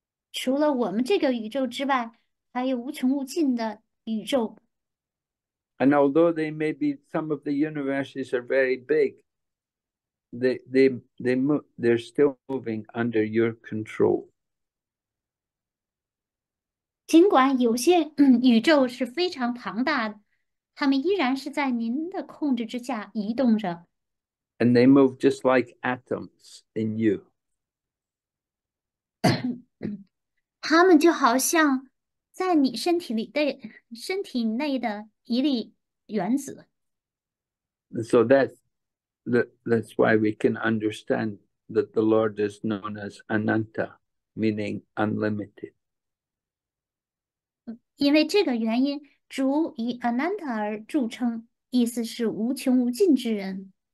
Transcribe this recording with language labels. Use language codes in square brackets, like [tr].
[zh] 除了我们这个宇宙之外，还有无穷无尽的宇宙。 [en] And although they may be some of the universes are very big, they're still moving under your control. [zh] 尽管有些宇宙是非常庞大的，它们依然是在您的控制之下移动着。 [en] And they move just like atoms in you. [zh] 他们就好像在你身体内的一粒原子。 [en] So that's why we can understand that the Lord is known as Ananta, meaning unlimited. [zh] 因为这个原因，主以 Ananta 而著称，意思是无穷无尽之人。